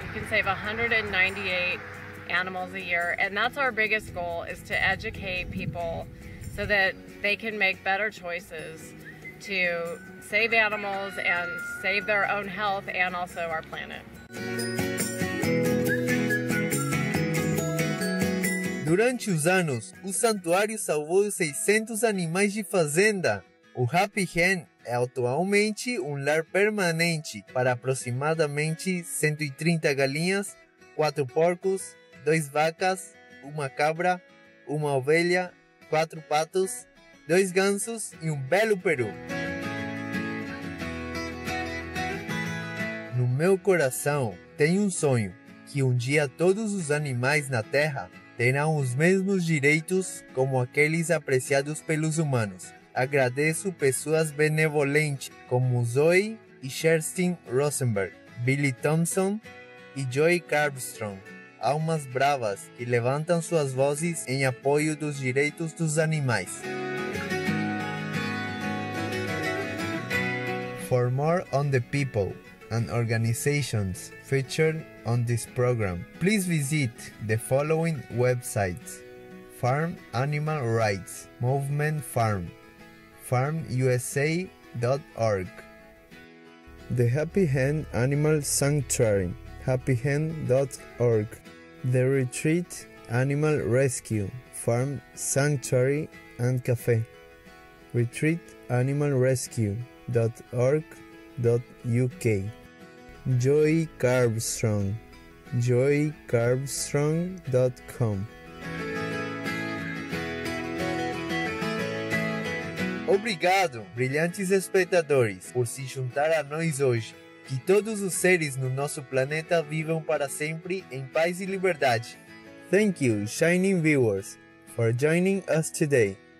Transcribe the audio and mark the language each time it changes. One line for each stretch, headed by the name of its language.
English: You can save 198 animals a year, and that's our biggest goal, is to educate people so that they can make better choices to save animals and save their own health and also our planet.
Portuguese: Durante os anos, o santuário salvou 600 animais de fazenda. O Happy Hen é atualmente lar permanente para aproximadamente 130 galinhas, 4 porcos, 2 vacas, 1 cabra, 1 ovelha, 4 patos, 2 gansos e belo peru. No meu coração, tenho sonho que dia todos os animais na Terra terão os mesmos direitos como aqueles apreciados pelos humanos. Agradeço pessoas benevolentes como Zoe e Sherstin Rosenberg, Billy Thompson e Joy Carbstrong, almas bravas que levantam suas vozes em apoio dos direitos dos animais.
English: For more on the people and organizations featured on this program, please visit the following websites: Farm Animal Rights Movement Farm, farmusa.org, The Happy Hen Animal Sanctuary, happyhen.org, The Retreat Animal Rescue, Farm Sanctuary and Cafe, retreatanimalrescue.org.uk, Joy Carbstrong, joycarbstrong.com.
Portuguese: Obrigado, brilhantes espectadores, por se juntar a nós hoje. Que todos os seres no nosso planeta vivam para sempre em paz e liberdade.
English: Thank you, shining viewers, for joining us today.